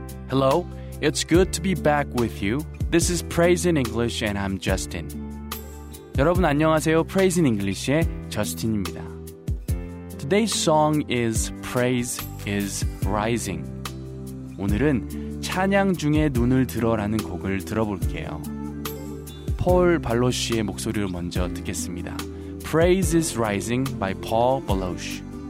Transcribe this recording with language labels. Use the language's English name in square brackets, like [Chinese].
[English] Hello, it's good to be back with you. This is Praise in English and I'm Justin. [Korean] 여러분 안녕하세요. Praise in English의 저스틴입니다. [English] Today's song is Praise is Rising. [Korean] 오늘은 찬양 중에 눈을 들어라는 곡을 들어볼게요. 폴 발로쉬의 목소리를 먼저 듣겠습니다. [English] Praise is Rising by Paul Baloche.